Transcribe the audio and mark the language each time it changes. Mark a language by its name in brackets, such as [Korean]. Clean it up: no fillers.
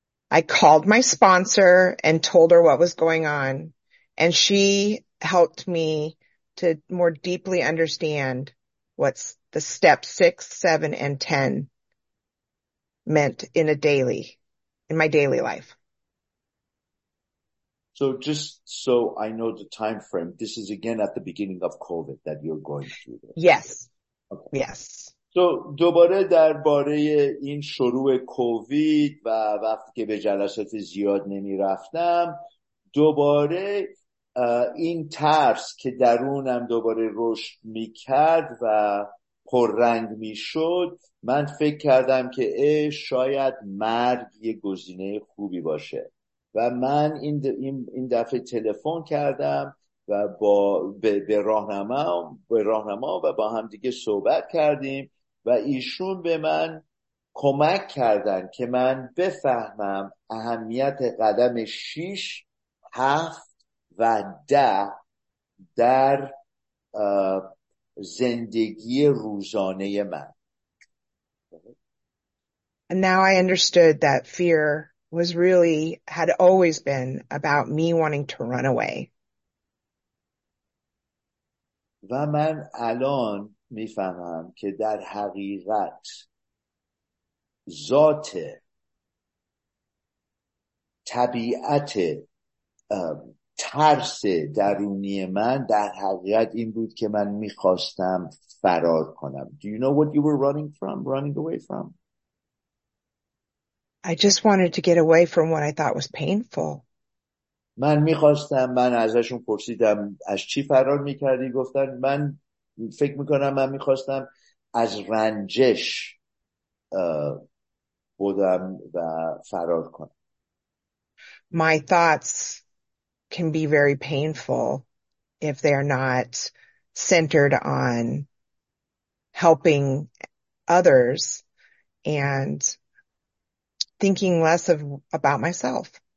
[English] I called my sponsor and told her what was going on, and she helped me to more deeply understand what's the step 6, 7, and 10. Meant in a daily, in my daily life. So just so I know the time frame, this is again at the beginning of COVID that you're going through this. Yes. Okay. Yes. [Persian] So دوباره درباره این شروع کووید و وقتی که به جلسات زیاد نمی رفتم دوباره این ترس که درونم دوباره رشد می کرد و پررنگ می شد. من فکر کردم که شاید مرگ یه گزینه خوبی باشه و من این دفعه تلفن کردم و به راهنما و با هم دیگه صحبت کردیم و ایشون به من کمک کردن که من بفهمم اهمیت قدم 6, 7, و 10 در زندگی روزانه من. [English] And now I understood that fear was really had always been about me wanting to run away. [Persian] و من الان میفهمم که در حقیقت ذات طبیعت ترس درونی من در حقیقت این بود که من میخواستم فرار کنم. [English] Do you know what you were running from? Running away from? I just wanted to get away from what I thought was painful. [Persian] من میخواستم من ازشون پرسیدم از چی فرار میکردی؟ گفتن من فکر میکنم من میخواستم از رنجش بودم و فرار کنم. [English] My thoughts can be very painful if they are not centered on helping others and thinking less of about myself.